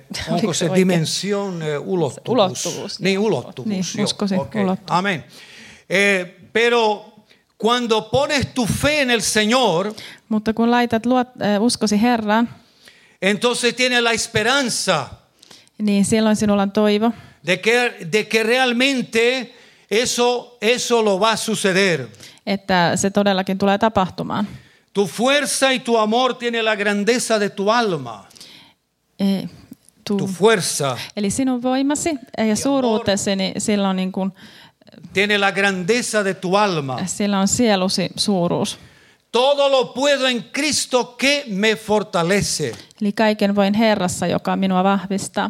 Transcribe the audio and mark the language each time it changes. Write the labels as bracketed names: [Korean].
[Finnish] Onko se dimension ulottuvuus? Niin, ulottuvuus. Niin, uskosi okay. Ulottuvuus. Amen. [Spanish] Pero cuando pones tu fe en el Señor, [Finnish] mutta kun laitat uskosi Herraan, [Spanish] entonces tiene la esperanza. [Finnish] Niin silloin sinulla on toivo. [Spanish] De que realmente eso lo va a suceder. [Finnish] Että se todellakin tulee tapahtumaan. [Spanish] Tu fuerza y tu amor tiene la grandeza de tu alma. Tu fuerza. [Finnish] Eli sinun voimasi ja suuruutesi, niin sillä on niin kuin, [Spanish] tiene la grandeza de tu alma. [Finnish] Sillä on sielusi suuruus. [Spanish] Todo lo puedo en Cristo que me fortalece. [Finnish] Eli kaiken voin Herrassa, joka minua vahvistaa.